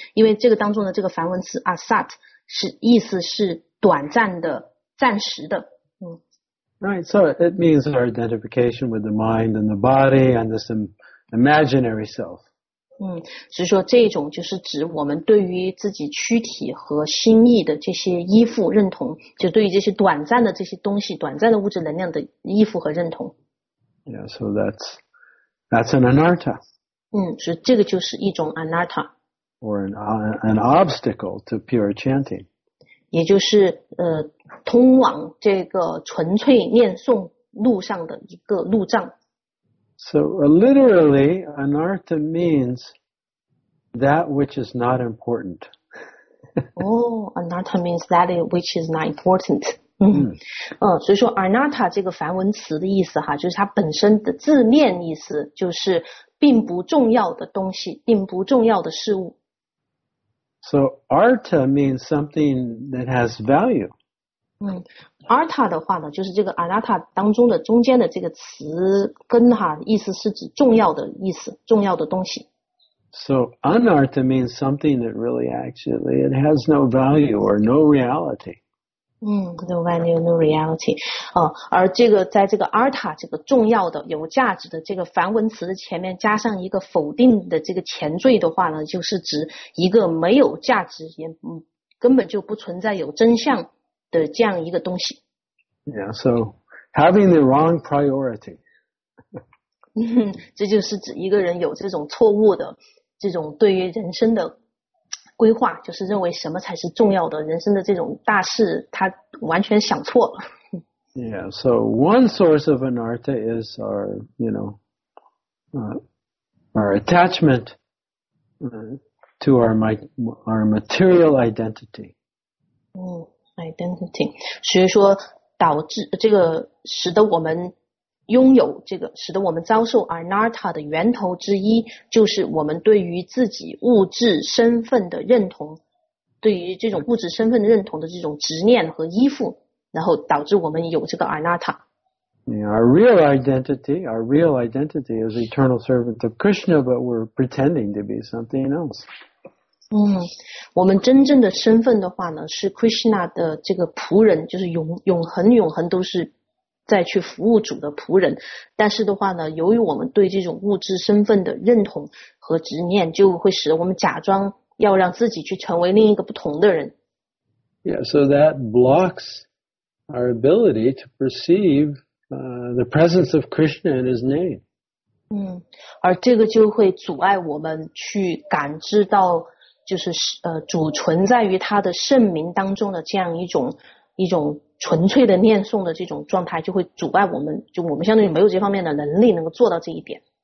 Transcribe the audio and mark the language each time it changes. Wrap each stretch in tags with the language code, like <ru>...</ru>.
<zh>因为这个当中的这个梵文词 Asat 是意思是短暂的、暂时的。</zh> <en>Right, so it means our identification with the mind and the body and this imaginary self.</en> <zh>所以说这种就是指我们对于自己躯体和心意的这些依附认同，就对于这些短暂的这些东西，短暂的物质能量的依附和认同。</zh> <en>Yeah, so that's an anatta.</en> <zh>所以这个就是一种 anatta.</zh> <en>Or an obstacle to pure chanting.</en> <zh>也就是通往这个纯粹念诵路上的一个路障。</zh> <en>So literally, anartha means that which is not important. anartha means that which is not important.</en> <zh>所以说 anartha 这个梵文词的意思哈，就是它本身的字面意思就是并不重要的东西，并不重要的事物。</zh> <en>So artha means something that has value.</en> <zh>Artha 的话呢，就是这个 Anatta 当中的中间的这个词根哈，意思是指重要的意思，重要的东西。</zh> <en>So Anartha means something that really actually it has no value or no reality. The venue, new reality.</en> <zh>而这个在这个 arta 这个重要的、有价值的这个梵文词的前面加上一个否定的这个前缀的话呢，就是指一个没有价值，也根本就不存在有真相的这样一个东西。</zh> <en>Yeah, so having the wrong priority.</en> <zh>这就是指一个人有这种错误的这种对于人生的规划，就是认为什么才是重要的，人生的这种大事，他完全想错了。</zh> <en>Yeah, so one source of anartha is our, our attachment, to our material identity.</en> <zh>identity，所以说导致这个使得我们拥有这个，使得我们遭受 anartha 的源头之一，就是我们对于自己物质身份的认同，对于这种物质身份认同的这种执念和依附，然后导致我们有这个 anartha。</zh> <en>Our real identity is eternal servant of Krishna, but we're pretending to be something else.</en> <zh>我们真正的身份的话呢，是 Krishna 的这个仆人，就是永恒都是在去服务主的仆人。但是的话呢，由于我们对这种物质身份的认同和执念，就会使我们假装要让自己去成为另一个不同的人。</zh> <en>Yeah, so that blocks our ability to perceive the presence of Krishna in his name.</en> <zh>而这个就会阻碍我们去感知到，就是主存在于他的圣名当中的这样一种纯粹的念诵的这种状态，就会阻碍我们，就我们相当于没有这方面的能力能够做到这一点。</zh>